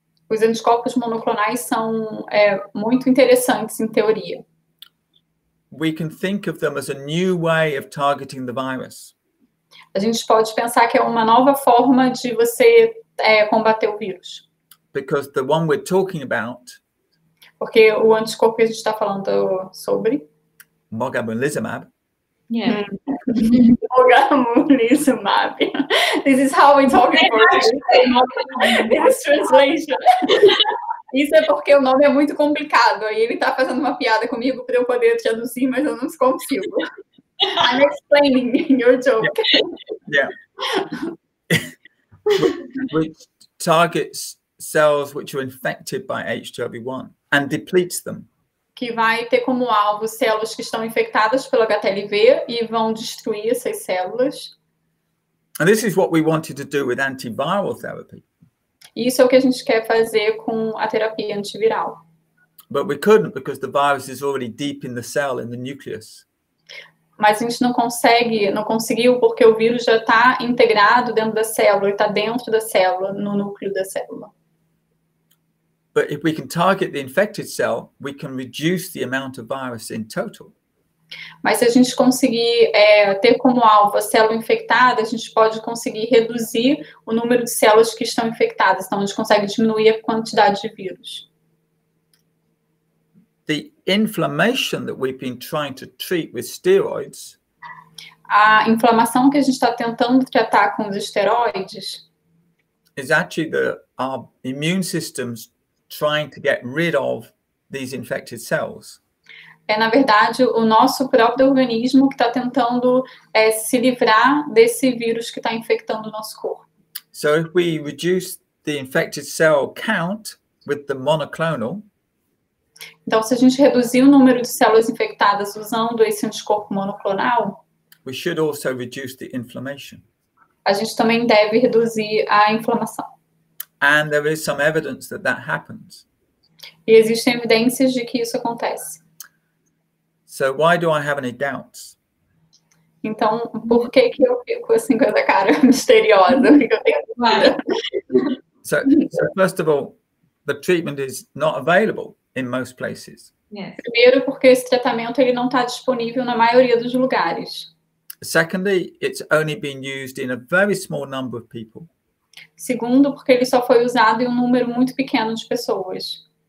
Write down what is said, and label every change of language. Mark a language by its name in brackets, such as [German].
[Portuguese] Os anticorpos monoclonais são muito interessantes em teoria. [English] We can think of them as a new way of targeting the virus. [Portuguese] A gente pode pensar que é uma nova forma de você combater o vírus. [English] Because the one we're talking about. [Portuguese] Porque o anticorpo que a gente está falando sobre. [English] Mogamulizumab. Yeah. Mogamulizumab. This is how we talk about this translation. [Portuguese] Isso é porque o nome é muito complicado. Aí ele está fazendo uma piada comigo para eu poder traduzir, mas eu não consigo. [English] I'm explaining your joke. Yeah. Which targets cells which are infected by HTLV-1 and depletes them. [Portuguese] Que vai ter como alvo células que estão infectadas pelo HTLV e vão destruir essas células. [English] And this is what we wanted to do with antiviral therapy. [Portuguese] Isso é o que a gente quer fazer com a terapia antiviral. [English] But we couldn't because the virus is already deep in the cell, in the nucleus. [Portuguese] Mas a gente não conseguiu porque o vírus já está integrado dentro da célula, ele está dentro da célula, no núcleo da célula. [English] But if we can target the infected cell, we can reduce the amount of virus in total. [Portuguese] Mas se a gente conseguir ter como alvo a célula infectada, a gente pode conseguir reduzir o número de células que estão infectadas. Então, a gente consegue diminuir a quantidade de vírus. [English] The inflammation that we've been trying to treat with steroids. [Portuguese] A inflamação que a gente está tentando tratar com os esteroides. [English] Is actually the our immune systems trying to get rid of these infected cells. [Portuguese] É, na verdade, o nosso próprio organismo que está tentando se livrar desse vírus que está infectando o nosso corpo. [English] So if we reduce the infected cell count with the monoclonal. [Portuguese] Então, se a gente reduzir o número de células infectadas usando esse anticorpo monoclonal, [English] we should also reduce the inflammation. [Portuguese] A gente também deve reduzir a inflamação. [English] And there is some evidence that that happens. [Portuguese] E existem evidências de que isso acontece. [English] So why do I have any doubts? [Portuguese] Então, por que que eu fico assim com essa cara misteriosa? [English] So first of all, the treatment is not available in most places. Yes. [Portuguese] Primeiro, porque esse tratamento ele não está disponível na maioria dos lugares. [English] Secondly, it's only been used in a very small number of people. [Portuguese] Segundo, porque ele só foi usado em número muito pequeno de pessoas.